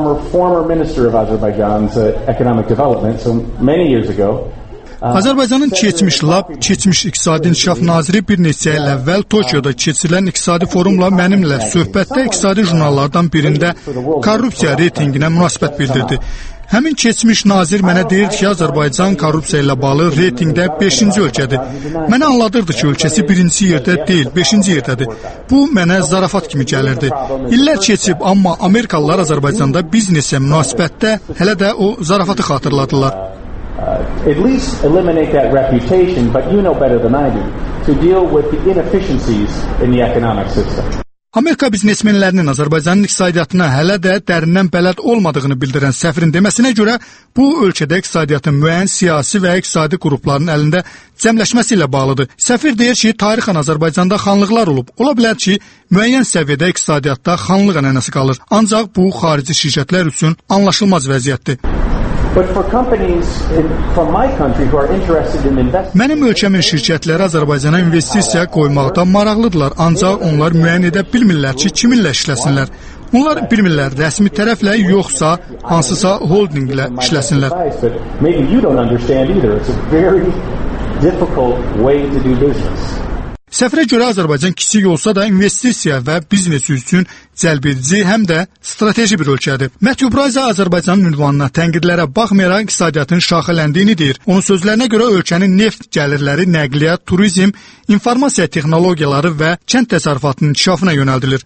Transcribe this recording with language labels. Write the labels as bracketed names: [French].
[English] Former Minister of Azerbaijan's Economic Development, so many years ago. [Azerbaijani] Azərbaycanın keçmiş İqtisadi İnkişaf Naziri bir neçə il əvvəl Tokyoda keçirilən İqtisadi Forumla mənimlə söhbətdə iqtisadi jurnallardan birində korrupsiya reytinginə münasibət bildirdi. Həmin keçmiş nazir mənə deyirdi ki, Azərbaycan korrupsiya ilə bağlı reytingdə 5-ci ölkədir. Mənə anladırdı ki, ölkəsi 1-ci yerdə deyil, 5-ci yerdədir. Bu, mənə zarafat kimi gəlirdi. İllər keçib, amma Amerikalılar Azərbaycanda biznesə münasibətdə hələ də o zarafatı xatırladılar. [English] At least eliminate that reputation, but you know better than I do, to deal with the inefficiencies in the economic system. [Azerbaijani] Amerika biznesmenlərinin Azərbaycanın iqtisadiyyatına hələ də dərindən bələd olmadığını bildirən səfirin deməsinə görə, bu ölkədə iqtisadiyyatın müəyyən siyasi və iqtisadi qrupların əlində cəmləşməsi ilə bağlıdır. Səfir deyir ki, tarixən Azərbaycanda xanlıqlar olub. Ola bilər ki, müəyyən səviyyədə iqtisadiyyatda xanlıq ənənəsi qalır. Ancaq bu, xarici şirkətlər üçün anlaşılmaz vəziyyətdir. [English] But for companies from my country who are interested in investing. [Azerbaijani] Mənim ölkəmin şirkətləri Azərbaycana investisiya qoymaqda maraqlıdırlar, ancaq onlar müəyyən edə bilmirlər ki, kiminlə işləsinlər. Onlar bilmirlər rəsmi tərəflə yoxsa hansısa holdinglə işləsinlər. [English] Maybe you don't understand either. It's a very difficult way to do business. [Azerbaijani] Səfirə görə Azərbaycan kiçik olsa da investisiya və biznes üçün cəlb edici həm də strateji bir ölkədir. Matthew Bryce Azərbaycanın ünvanına tənqidlərə baxmayaraq iqtisadiyyatın şaxələndiyini deyir. Onun sözlərinə görə ölkənin neft gəlirləri, nəqliyyat, turizm, informasiya texnologiyaları və kənd təsərrüfatının inkişafına yönəldilir.